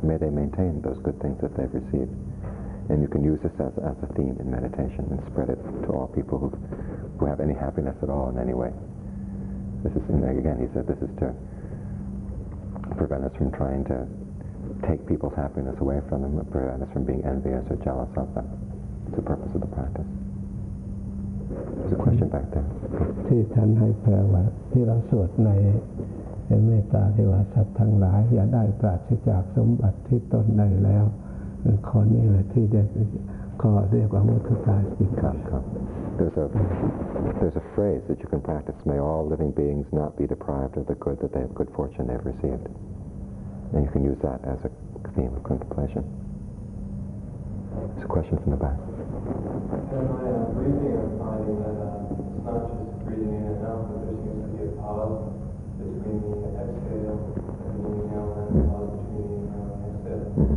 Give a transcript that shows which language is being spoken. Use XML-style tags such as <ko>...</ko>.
<en>May they maintain those good things that they've received. And you can use this as a theme in meditation and spread it to all people who have any happiness at all in any way. This is, and again, he said, this is to prevent us from trying to take people's happiness away from them, prevent us from being envious or jealous of them. It's the purpose of the practice. There's a question back there.</en> <th>ที่ท่านให้แปลว่าที่เราสวดในเมตตาที่ว่าสัตว์ทั้งหลายอย่าได้ปราศจากสมบัติที่ตนได้แล้วข้อนี้แหละที่ได้ขอเรียกว่ามุทิตาจิต ครับครับ</th> <en>there's a phrase that you can practice, may all living beings not be deprived of the good that they have good fortune they've received, and you can use that as a theme of contemplation. There's a question from the back. In my breathing, I'm finding that it's not just breathing in and out, but there seems to be a pause between the exhale and the inhale, and a pause between the inhale and the exhale.</en>